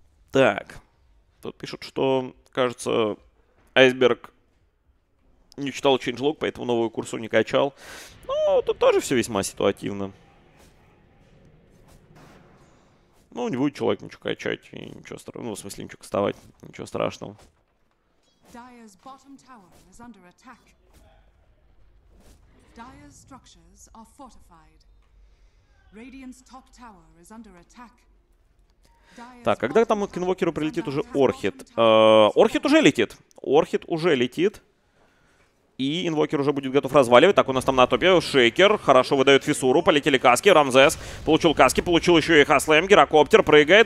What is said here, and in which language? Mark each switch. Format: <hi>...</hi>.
<ru>Так, тут пишут, что, кажется, Айсберг не читал чейнджлог, поэтому новую курсу не качал. Ну, тут тоже все весьма ситуативно. Ну, не будет человек ничего качать, и ничего страшного, ну, в смысле, ничего вставать, ничего страшного.</ru> <en>Dire's bottom tower is under attack. Dire's structures are fortified. Radiant's top tower is under attack.</en> <ru>Так, когда там к инвокеру прилетит уже Орхид? Орхид уже летит. Орхид уже летит. И инвокер уже будет готов разваливать. Так, у нас там на топе Шейкер. Хорошо выдает фиссуру. Полетели каски. Рамзес получил каски. Получил еще и Хаслэм. Герокоптер прыгает.</ru>